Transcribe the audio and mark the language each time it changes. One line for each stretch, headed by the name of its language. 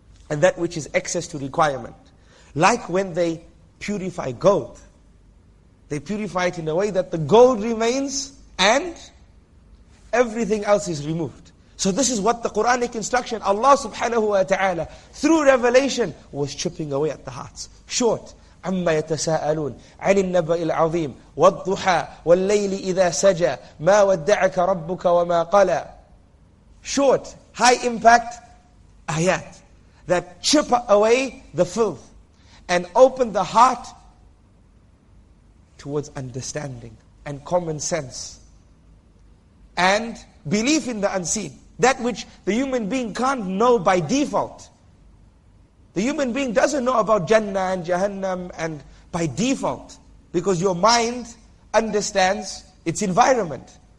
English: And that which is excess to requirement. Like when they purify gold. They purify it in a way that the gold remains and everything else is removed. So this is what the Quranic instruction, Allah subhanahu wa ta'ala, through revelation, was chipping away at the hearts. Short.
Arabic: عما يتساءلون عن النبأ العظيم والضحى والليل إذا سجى ما ودعك ربك وما قلى.
English: Short. High impact ayat that chip away the filth and open the heart towards understanding and common sense and belief in the unseen. That which the human being can't know by default. The human being doesn't know about Jannah and Jahannam and by default, because your mind understands its environment.